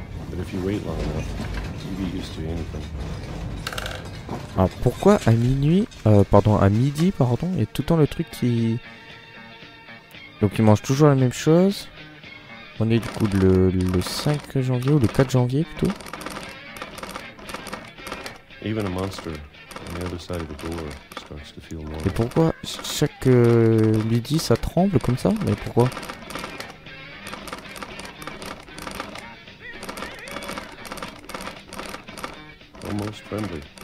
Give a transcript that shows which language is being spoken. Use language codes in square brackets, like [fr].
[en] But if you wait long enough, you'll be used to anything. [fr] Alors pourquoi à minuit, à midi, il y a tout le temps le truc qui... Donc ils mangent toujours la même chose. On est du coup le 5 janvier ou le 4 janvier plutôt. [en] Even a monster on the other side of the door starts to feel normal. [fr] Et pourquoi chaque midi ça tremble comme ça? Mais pourquoi? [en] Almost friendly.